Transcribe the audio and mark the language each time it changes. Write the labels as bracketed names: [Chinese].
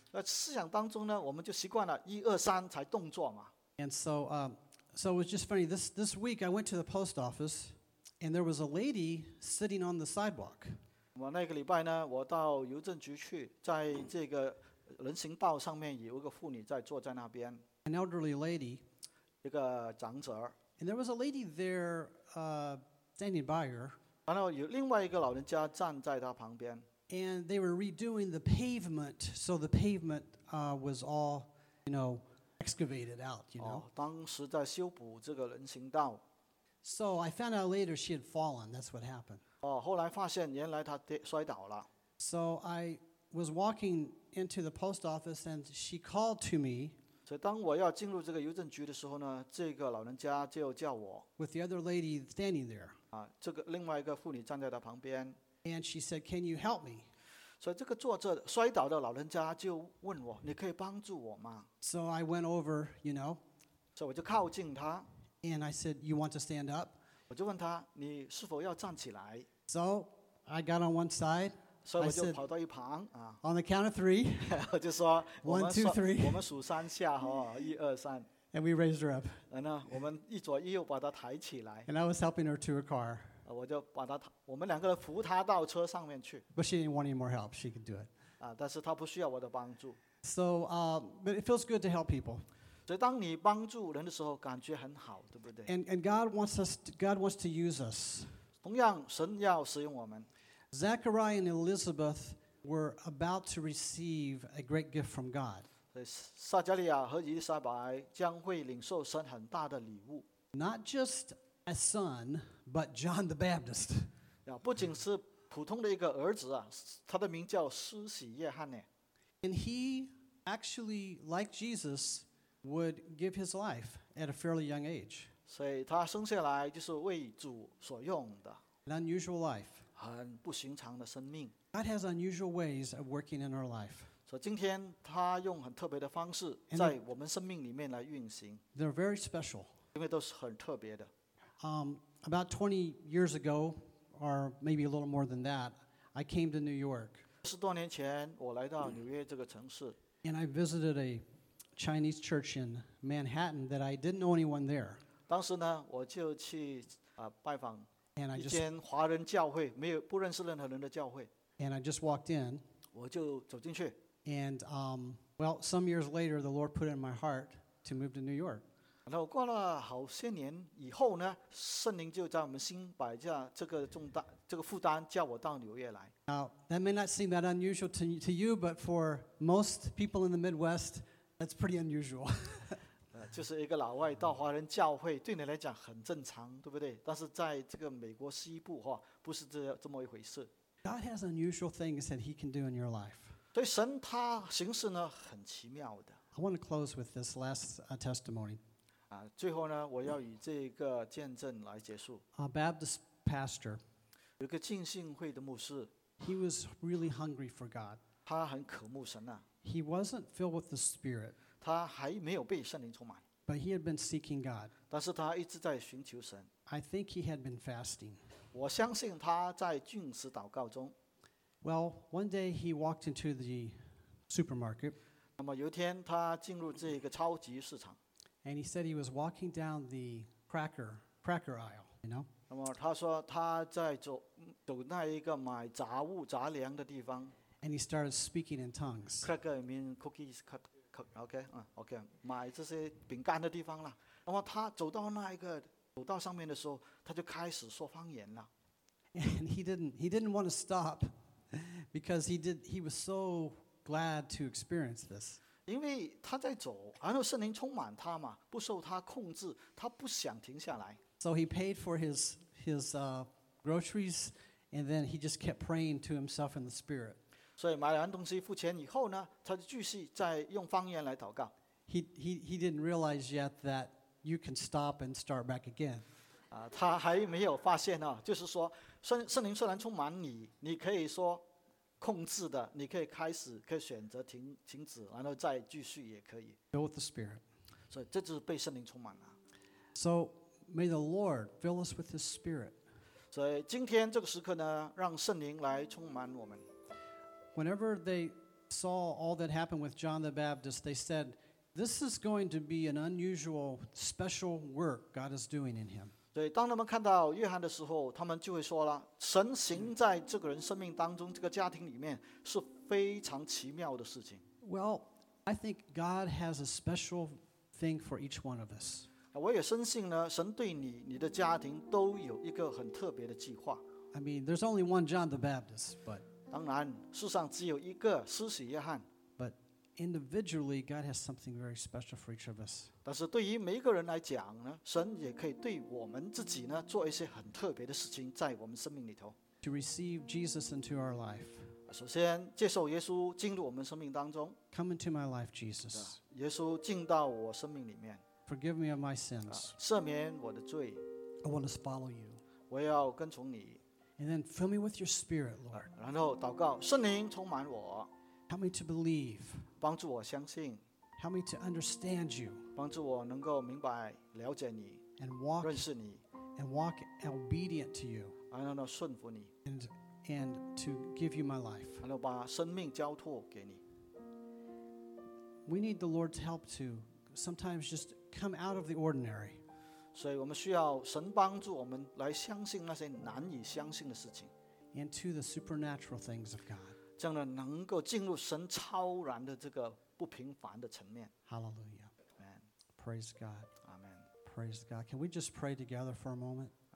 [Chinese] 思想当中呢，我们就习惯了一二三才动作嘛。 [English] And so, so it was just funny. This week I went to the post office, and there was a lady sitting on the sidewalk. [Chinese] 我那个礼拜呢，我到邮政局去，在这个人行道上面有一个妇女在坐在那边。 [English] An elderly lady. [Chinese] 一个长者。 [English] And there was a lady there, standing by her. [Chinese] 然后有另外一个老人家站在她旁边。 [English] And they were redoing the pavement, so the pavement was all, you know, excavated out, you know. [Chinese] 当时在修补这个人行道。 [English] So I found out later she had fallen, that's what happened. [Chinese] 后来发现原来她摔倒了。 [English] So I was walking into the post office and she called to me. [Chinese] 所以当我要进入这个邮政局的时候呢，这个老人家就叫我。 [English] With the other lady standing there. [Chinese] 这个另外一个妇女站在她旁边。 [English] And she said, "Can you help me?" [Chinese] 所以这个坐着摔倒的老人家就问我，你可以帮助我吗？ [English] So I went over, you know. [Chinese] 所以我就靠近他。 [English] And I said, "You want to stand up?" [Chinese] 我就问他，你是否要站起来？ [English] So I got on one side. [Chinese] 所以我就跑到一旁啊。 [English] On the count of three. [Chinese] 我就说 [English] 1, 2, 3. [Chinese] 我们数三下哈，一二三。 [English] And we raised her up. [Chinese] 然后我们一左一右把她抬起来。 [English] And I was helping her to her car. [Chinese] 我就把他，我们两个人扶他到车上面去。 [English] But she didn't want any more help. She can do it. [Chinese] 但是他不需要我的帮助。 [English] So, but it feels good to help people. [Chinese] 所以当你帮助人的时候，感觉很好，对不对 [English] ？And God wants us. God wants to use us. [Chinese] 同样，神要使用我们。 [English] Zechariah and Elizabeth were about to receive a great gift from God. [Chinese] 所以撒加利亚和以利沙白将会领受神很大的礼物。 [English] Not just a son. But John the Baptist. [Chinese] 不仅是普通的一个儿子啊，他的名叫施洗约翰呢。 [English] And he actually, like Jesus, would give his life at a fairly young age. [Chinese] 所以他生下来就是为主所用的。 [English] An unusual life. [Chinese] 很不寻常的生命。 [English] God has unusual ways of working in our life. [Chinese] 所以今天他用很特别的方式在我们生命里面来运行。 [English] They're very special. [Chinese] 因为都是很特别的。 [English] About 20 years ago, or maybe a little more than that, I came to New York. [Chinese] 十多年前，我来到纽约这个城市。 [English] And I visited a Chinese church in Manhattan that I didn't know anyone there. [Chinese] 当时呢，我就去拜访一间华人教会，没有不认识任何人的教会。 [English] And I just walked in. [Chinese] 我就走进去。 [English] And well, some years later, the Lord put it in my heart to move to New York. [Chinese] 然后过了好些年以后呢，圣灵就在我们心摆下这个重担，这个负担，叫我到纽约来。 [English] Now that may not seem that unusual to you, but for most people in the Midwest, that's pretty unusual. [Chinese] 就是一个老外到华人教会，对你来讲很正常，对不对？但是在这个美国西部哈，不是这么一回事。 [English] God has unusual things that He can do in your life. [Chinese] 所以神他行事呢很奇妙的。 [English] I want to close with this last testimony. [Chinese] 最后呢，我要以这个见证来结束。 [English] A Baptist pastor. [Chinese] 有个浸信会的牧师。 [English] He was really hungry for God. [Chinese] 他很渴慕神啊。 [English] He wasn't filled with the Spirit. [Chinese] 他还没有被圣灵充满。 [English] But he had been seeking God. [Chinese] 但是他一直在寻求神。 [English] I think he had been fasting. [Chinese] 我相信他在禁食祷告中。 [English] Well, one day he walked into the supermarket. [Chinese] 那么有一天他进入这个超级市场。 [English] And he said he was walking down the cracker aisle, you know? [Chinese] 那么他说他在走那一个买杂物杂粮的地方。 [English] And he started speaking in tongues. Cracker means cookies, okay, [Chinese] 买这些饼干的地方了。那么他走到那一个走到上面的时候，他就开始说方言了。 [English] And he didn't want to stop because he was so glad to experience this. [Chinese] 因为他在走，然后圣灵充满他嘛，不受他控制，他不想停下来。 [English] So he paid for his groceries, and then he just kept praying to himself in the spirit. [Chinese] 所以买完东西付钱以后呢，他就继续在用方言来祷告。 [English] He didn't realize yet that. You can stop and start back again. [Chinese] 他还没有发现啊，就是说，圣灵虽然充满你，你可以说控制的，你可以开始，可以选择停止，然后再继续也可以。 [English] Fill with the Spirit. [Chinese] 所以这就是被圣灵充满了。 [English] So may the Lord fill us with His Spirit. [Chinese] 所以今天这个时刻呢，让圣灵来充满我们。 [English] Whenever they saw all that happened with John the Baptist, they said. This is going to be an unusual, special work God is doing in him. [Chinese] 对，当他们看到约翰的时候，他们就会说了，神行在这个人生命当中，这个家庭里面是非常奇妙的事情。 [English] Well, I think God has a special thing for each one of us. [Chinese] 我也深信呢，神对你、你的家庭都有一个很特别的计划。 [English] I mean, there's only one John the Baptist, but [Chinese] 当然，世上只有一个施洗约翰。 [English] Individually, God has something very special for each of us. [Chinese] 但是对于每一个人来讲呢，神也可以对我们自己呢做一些很特别的事情，在我们生命里头。 [English] To receive Jesus into our life. [Chinese] 首先接受耶稣进入我们生命当中。 [English] Come into my life, Jesus. [Chinese] 耶稣进到我生命里面。 [English] Forgive me of my sins. [Chinese] 赦免我的罪。 [English] I want to follow you. [Chinese] 我要跟从你。 [English] And then fill me with your Spirit, Lord. [Chinese] 然后祷告，圣灵充满我。 [English] Help me to believe. [Chinese] 帮助我相信。 [English] Help me to understand you. [Chinese] 帮助我能够明白了解你。 [English] And walk, [Chinese] 认识你。 [English] And walk obedient to you. [Chinese] 然后呢，顺服你。 [English] And to give you my life. [Chinese] 然后把生命交托给你。 [English] We need the Lord's help to sometimes just come out of the ordinary. [Chinese] 所以我们需要神帮助我们来相信那些难以相信的事情。 [English] Into the supernatural things of God. [Chinese] 这样呢，能够进入神超然的这个不平凡的层面。 [English] Hallelujah. Amen. Praise God. Amen. Praise God. Can we just pray together for a moment?